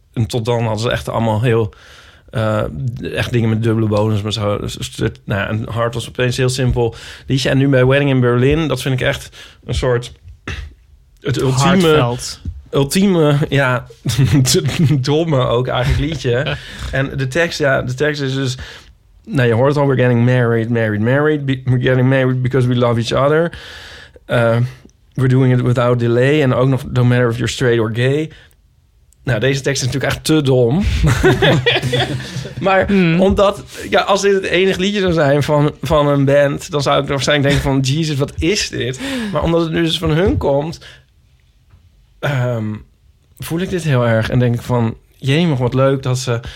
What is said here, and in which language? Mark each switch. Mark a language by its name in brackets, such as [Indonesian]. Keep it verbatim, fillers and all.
[Dutch] En tot dan hadden ze echt allemaal heel... Uh, echt dingen met dubbele bonus. Maar zo, nou, en Hard was opeens heel simpel liedje. En nu bij Wedding in Berlin, dat vind ik echt een soort... het ultieme... Hartveld. Ultieme, ja, domme ook eigenlijk liedje. En de tekst, ja, de tekst is dus... Nou, je hoort het al, [English] we're getting married, married, married. Be- we're getting married because we love each other. Uh, we're doing it without delay. [Dutch] En ook nog, [English] no matter if you're straight or gay. [Dutch] Nou, deze tekst is natuurlijk echt te dom. Maar hmm. omdat, ja, als dit het enige liedje zou zijn van, van een band... dan zou ik waarschijnlijk denken van, Jesus, wat is dit? Maar omdat het nu dus van hun komt... Um, voel ik dit heel erg en denk ik van... jemig, wat leuk dat ze...